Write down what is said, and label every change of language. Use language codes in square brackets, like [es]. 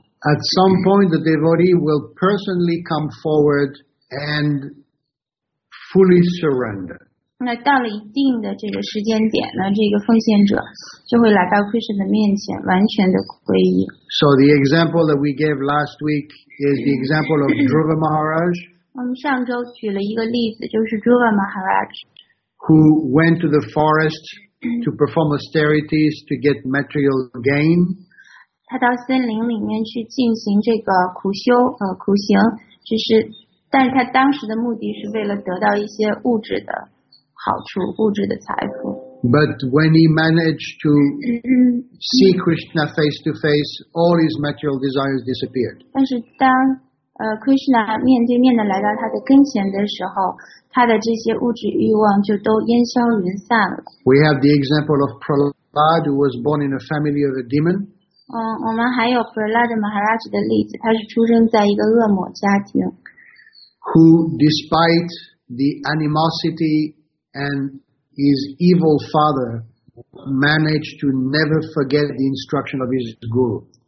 [en] At some point, the devotee will personally come forward and fully surrender. [zh] 那到了一定的这个时间点呢，这个奉献者就会来到 Krishna 的面前，完全的皈依。 [en] So the example that we gave last week is the example of Dhruva Maharaj. [zh] 我们上周举了一个例子，就是 Dhruva Maharaj, [en] who went to the forest to perform austerities to get material gain. [zh] 他到森林里面去进行这个苦修苦行，就是，但是他当时的目的是为了得到一些物质的。好处物质的财富。 [en] But when he managed to see Krishna face to face, all his material desires disappeared. [zh] 但是当Krishna 面对面的来到他的跟前的时候，他的这些物质欲望就都烟消云散了。 [en] We have the example of Prahlad, who was born in a family of a demon. [zh] 我们还有 Prahlad Maharaj 的例子，他是出生在一个恶魔家庭。 [en] Who, despite the animosity And his evil father managed to never forget the instruction of his guru.